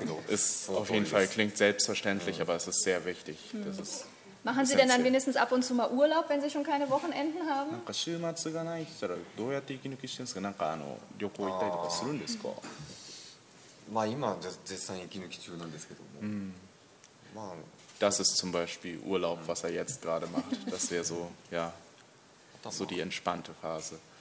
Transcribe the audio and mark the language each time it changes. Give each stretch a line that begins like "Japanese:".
German: Ist auf jeden Fall klingt selbstverständlich, aber es ist sehr wichtig. Das ist machen Sie denn dann wenigstens ab und zu mal Urlaub, wenn Sie schon keine Wochenenden haben? Wenn Sie keine Wochenenden haben, dann
Japanese: まあ今絶賛息抜き中なんですけども。まあ。
German: Das ist zum Beispiel Urlaub, was er jetzt gerade macht. Das wäre so, ja, so die entspannte Phase.